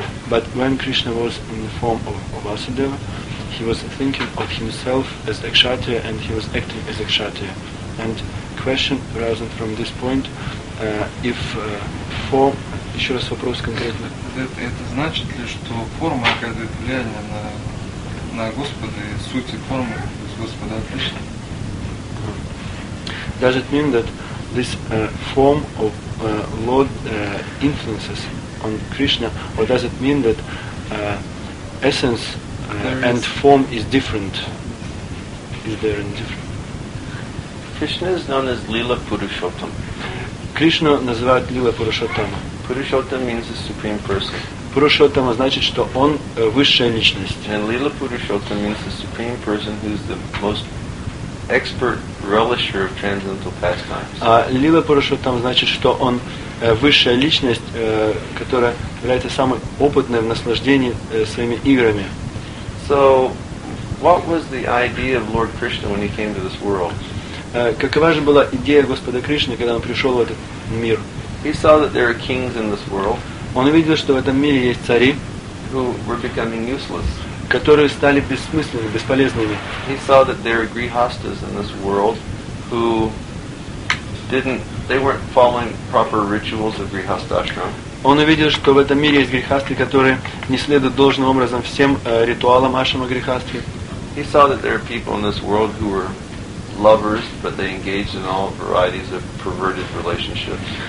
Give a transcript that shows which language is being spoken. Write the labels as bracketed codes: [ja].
[en] But when Krishna was in the form of Vasudeva, he was thinking of himself as a kshatriya and he was acting as a kshatriya. And question arising from this point, if form? [ru] Еще раз вопрос конкретно. Это значит ли, что форма оказывает влияние на Господа и сути формы Господа отлично? [en] Does it mean that this form of Lord influences on Krishna, or does it mean that essence and form is different? Is there any difference? Krishna is known as Lila Purushottam. [ru] Krishna называют Лила Пурушоттама. [en] Purushottam means the supreme person. [ru] Purushottama значит, что он высшая личность. [en] And Lila Purushottam means the supreme person who is the most expert relisher of transcendental pastimes. [ru] А Лила Пурушоттама значит, что он высшая личность, которая является самой опытной в наслаждении своими играми. [en] So, what was the idea of Lord Krishna when he came to this world? [ru] Какова же была идея Господа Кришны, когда он пришел в этот мир? [en] He saw that there are kings in this world. [ru] Он увидел, что в этом мире есть цари, [en] who were becoming useless. [ru] Которые стали бессмысленными, бесполезными. [en] He saw that there are grihasthas in this world who didn't, they weren't following proper rituals of grihasthashram. [ru] Он увидел, что в этом мире есть грихасты, которые не следуют должным образом всем ритуалам ашрама грихасты. [en] He saw that there are people in this world who were lovers, but they engaged in all varieties of perverted relationships.